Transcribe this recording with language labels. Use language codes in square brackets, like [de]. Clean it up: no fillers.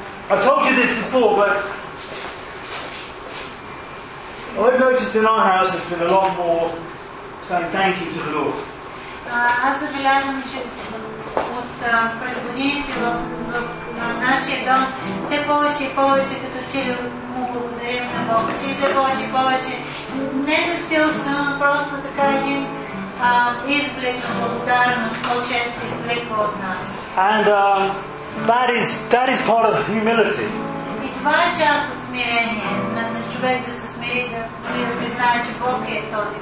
[en] I've told you this before, but... I've noticed in our house there's been a lot more saying thank you to the Lord. [bg] Аз забелязвам, че от през годините в нашия дом все повече и повече като че ли му благодарим на Бога, че все повече и повече не насилствено, но просто така един изблик на благодарност, по-често изблика от нас. [en] And that is part of humility. [bg] И това е част от смирение на човек да се смири, да признае, че Бог е този